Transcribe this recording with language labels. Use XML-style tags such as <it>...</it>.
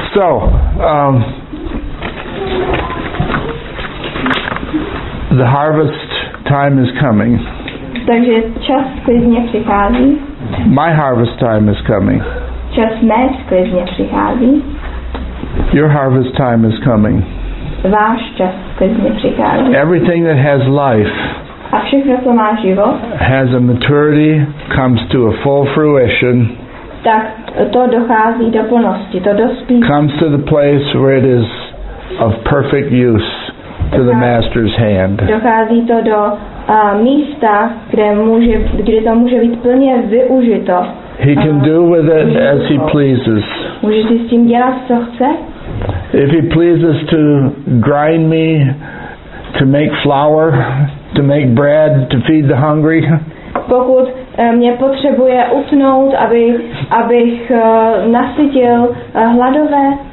<en>So, the harvest time is coming.</en> <cs>Takže čas sklizně přichází.</cs> <en>My harvest time is coming.</en> <cs>Čas mé sklizně přichází.</cs> <en>Your harvest time is coming.</en> <cs>Váš čas sklizně přichází.</cs> <en>Everything that has life</en> <cs>a všechno, co má život</cs> <en>has a maturity, comes to a full fruition.</en> <cs>Tak to dochází do plnosti, to dospí.</cs> <en>Comes to the place where it is of perfect use to the master's hand.</en> <cs>Dochází to do místa, kde to může být plně využito.</cs> <en>He can do with it as he pleases.</en> <cs>Může si s tím dělat, co chce.</cs> <en>If he pleases to grind me, to make flour, to make bread, to feed the hungry.</en> <cs>Pokud mě potřebuje utnout, abych nasytil hladové,</cs>